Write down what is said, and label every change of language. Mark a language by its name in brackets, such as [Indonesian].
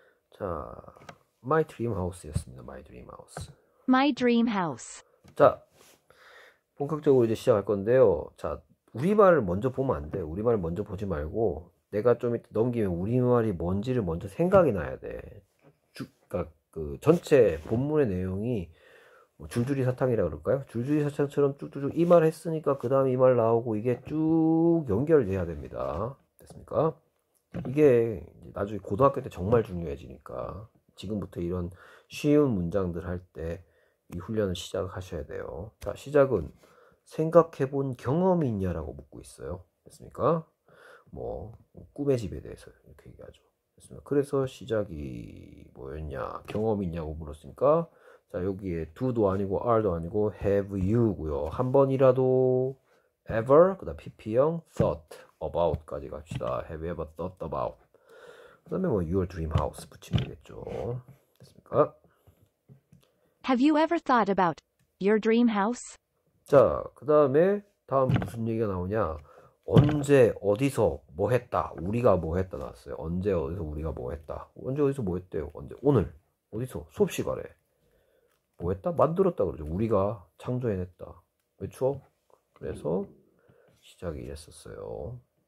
[English] 자, My Dream House였습니다. My Dream House. My dream house. [Korean] 자, 본격적으로 이제 시작할 건데요. 자, 우리말을 먼저 보면 안 돼요. 우리말을 먼저 보지 말고, 내가 좀 이따 넘기면 우리말이 뭔지를 먼저 생각이 나야 돼. 그 전체 본문의 내용이 뭐 줄줄이 사탕이라 그럴까요? 줄줄이 사탕처럼 쭉쭉쭉 이말 했으니까 그 다음에 이말 나오고 이게 쭉 연결돼야 됩니다. 됐습니까? 이게 나중에 고등학교 때 정말 중요해지니까 지금부터 이런 쉬운 문장들 할때이 훈련을 시작하셔야 돼요. 자, 시작은 생각해본 경험이 있냐라고 묻고 있어요. 됐습니까? 뭐 꿈의 집에 대해서 이렇게 얘기하죠. 그래서 시작이 뭐였냐? 경험이 있냐고 물었으니까 자, 여기에 do도 아니고 are도 아니고 have you고요. 한 번이라도 ever 그다음 PP형 [English] thought about [Korean] 까지 갑시다. [English] Have you ever thought about? [Korean] 그다음에 뭐 [English] your dream house [Korean] 붙이면 되겠죠. 됐습니까? [English] Have you ever thought about your dream house? [Korean] 자, 그다음에 다음 무슨 얘기가 나오냐? 언제 어디서 뭐 했다 우리가 뭐 했다 나왔어요. 언제 어디서 우리가 뭐 했다, 언제 어디서 뭐 했대요. 언제 오늘 어디서 수업 시간에 뭐 했다, 만들었다 그러죠. 우리가 창조해냈다. 그렇죠? 그래서 시작이 이랬었어요.